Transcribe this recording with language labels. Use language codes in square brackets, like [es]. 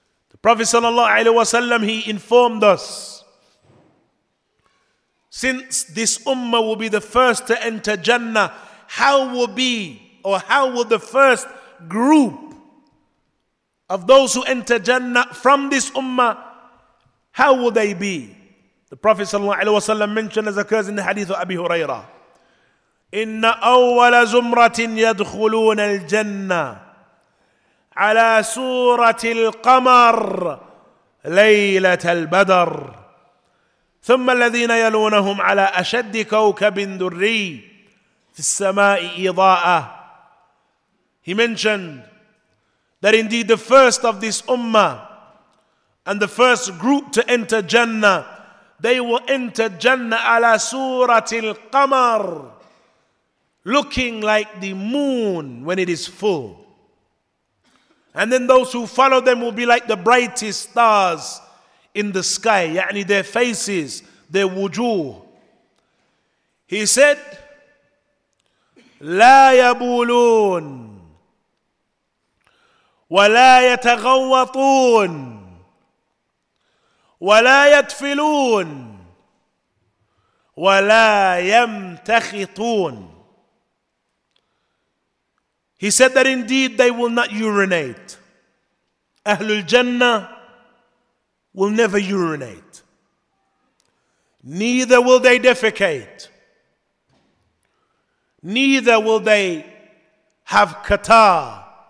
[en] The Prophet sallallahu alaihi wasallam, he informed us, since this ummah will be the first to enter Jannah, how will the first group of those who enter Jannah from this ummah, how will they be? The Prophet sallallahu alaihi wasallam mentioned, as occurs in the hadith of Abi Hurairah, [ar] إِنَّ أَوَّلَ زُمْرَةٍ يَدْخُلُونَ الْجَنَّةِ عَلَى سُورَةِ الْقَمَرِ لَيْلَةَ الْبَدَرِ ثُمَّ الَّذِينَ يَلُونَهُمْ عَلَى أَشَدِّ كَوْكَبٍ دُرِّي فِي السَّمَاءِ إِضَاءَةِ. [en] He mentioned that indeed the first of this ummah and the first group to enter Jannah, they will enter Jannah [ar] عَلَى سُورَةِ الْقَمَرِ, [en] looking like the moon when it is full. And then those who follow them will be like the brightest stars in the sky. Yani their faces, their wujuh. He said, [ar] لا يبولون ولا يتغوطون ولا يتفلون ولا يمتخطون. [en] He said that indeed they will not urinate. Ahlul Jannah will never urinate. Neither will they defecate. Neither will they have qatar.